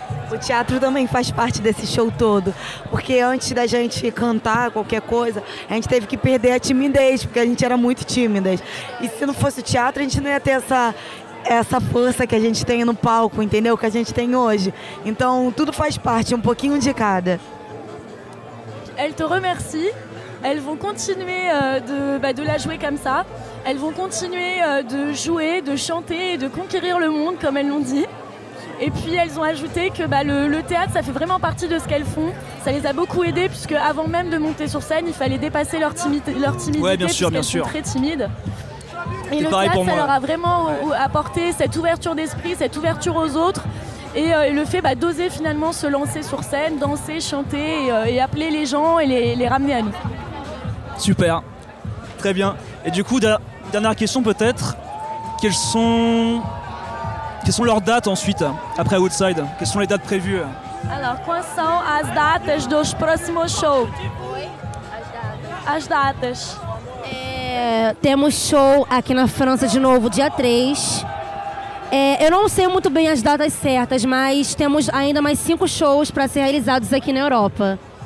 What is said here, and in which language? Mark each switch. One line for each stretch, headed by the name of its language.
Portuguese: O teatro também faz parte desse show todo, porque antes da gente cantar qualquer coisa, a gente teve que perder a timidez, porque a gente era muito tímidas. E se não fosse o teatro, a gente não ia ter essa força que a gente tem no palco, entendeu? Que a gente tem hoje. Então, tudo faz parte, um pouquinho de cada.
French: Elle te remercie. Elles vont continuer de la jouer comme ça. elles vont continuer de jouer, de chanter, de conquérir le monde, comme elles l'ont dit. Et puis elles ont ajouté que bah, le théâtre, ça fait vraiment partie de ce qu'elles font. Ça les a beaucoup aidées, puisque avant même de monter sur scène, il fallait dépasser leur timidité, ouais, bien sûr, puisqu'elles sont très timides. Et le théâtre, pour ça leur a vraiment apporté cette ouverture d'esprit, cette ouverture aux autres, et le fait bah, d'oser finalement se lancer sur scène, danser, chanter, et appeler les gens et les ramener à nous. Super, très bien. Et du coup, dernière question peut-être, quelles sont leurs dates ensuite, après Outside? Quelles sont les dates prévues? Alors, quelles sont les dates des prochains shows?
Portuguese: As datas. Temos show aqui na França de novo, dia 3. Eu não sei muito bem as datas certas, mas temos ainda mais 5 shows para ser realizados aqui na Europa.